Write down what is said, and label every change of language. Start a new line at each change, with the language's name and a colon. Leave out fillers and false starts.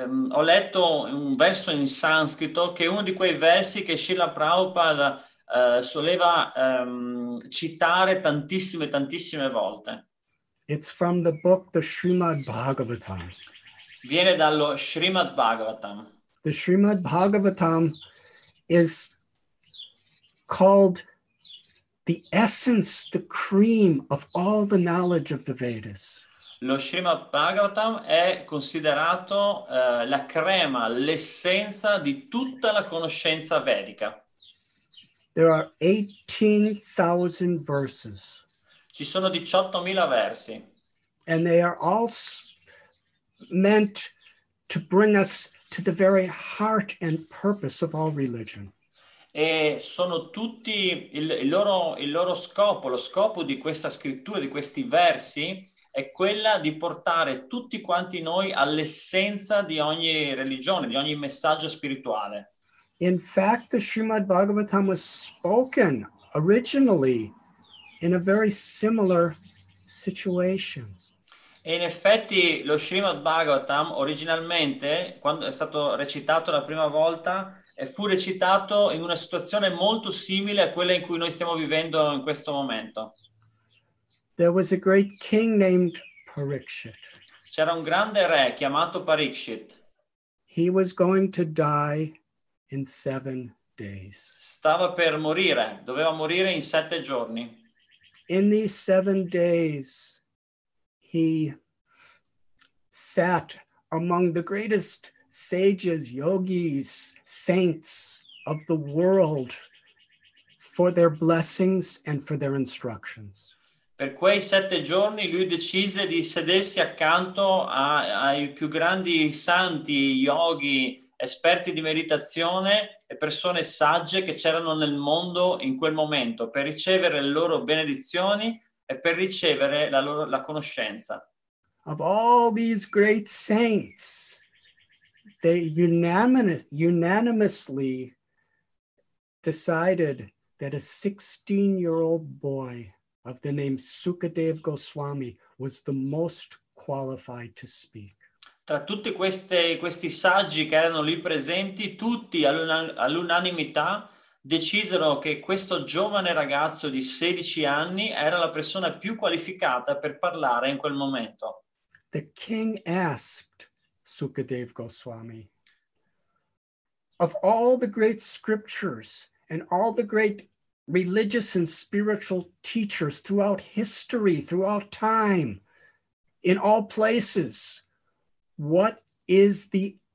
Italian: Ho letto un verso in sanscrito che è uno di quei versi che Srila Prabhupada soleva citare tantissime volte.
English: It's from the book the Srimad Bhagavatam.
Italian: Viene dallo Srimad Bhagavatam.
English: The Srimad Bhagavatam is called the essence, the cream of all the knowledge of the Vedas.
Italian: Lo Srimad Bhagavatam è considerato la crema, l'essenza di tutta la conoscenza vedica.
English: There are 18,000 verses.
Italian: Ci sono 18,000 versi.
English: And they are all meant to bring us to the very heart and purpose of all religion.
Italian: E sono tutti il loro scopo, lo scopo di questa scrittura, di questi versi, è quella di portare tutti quanti noi all'essenza di ogni religione, di ogni messaggio spirituale.
English: In fact, the Srimad Bhagavatam was spoken originally in a very similar situation.
Italian: E in effetti lo Srimad Bhagavatam originalmente, quando è stato recitato la prima volta, fu recitato in una situazione molto simile a quella in cui noi stiamo vivendo in questo momento.
English: There was a great king named Parikshit.
Italian: C'era un grande re chiamato Parikshit.
English: He was going to die in 7 days.
Italian: Stava per morire, doveva morire in 7 giorni.
English: In these 7 days, he sat among the greatest sages, yogis, saints of the world for their blessings and for their instructions.
Italian: Per quei 7 giorni lui decise di sedersi accanto ai più grandi santi, yogi, esperti di meditazione e persone sagge che c'erano nel mondo in quel momento per ricevere le loro benedizioni e per ricevere la conoscenza.
English: Of all these great saints, they unanimously decided that a 16-year-old boy of the name Sukadev Goswami was the most qualified to speak.
Italian: Tra tutti questi saggi che erano lì presenti, tutti all'unanimità decisero che questo giovane ragazzo di 16 anni era la persona più qualificata per parlare in quel momento.
English: The king asked Sukadev Goswami, of all the great scriptures and all the great religious and spiritual teachers throughout history, throughout time, in all places, what is the